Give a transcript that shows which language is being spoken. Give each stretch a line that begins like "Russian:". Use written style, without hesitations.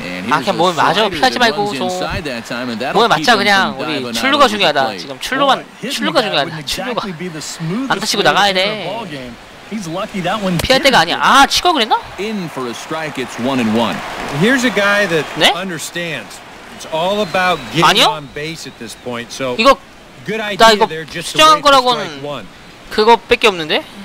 Korean: 아, 그냥 몸을 맞아 피하지 말고 좀 몸을 맞자. 그냥 우리 출루가 중요하다. 지금 출루만 출루가 중요하다. 출루가 안 타치고 나가야 돼. 피할 때가 아니야. 아, 치고 그랬나?
English: In for a strike, it's one and one. Here's a guy that understands. It's all about getting on base at this point. So
Korean: 이거 나 이거 수정한 거라고는 그거밖에 없는데.